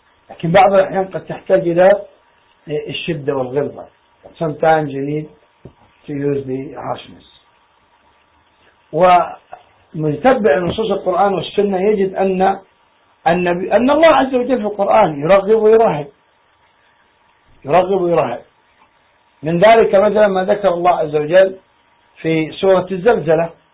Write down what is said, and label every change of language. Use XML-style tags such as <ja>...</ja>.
<ar>لكن بعض الأحيان قد تحتاج إلى الشدة والغلظة.</ar> <en>Sometimes you need to use the harshness.</en> <ar>و متبع نصوص القرآن والسنة يجد أن النبي أن الله عز وجل في القرآن يرغب ويرهب، يرغب ويرهب. من ذلك مثلا ما ذكر الله عز وجل في سورة الزلزلة.</ar>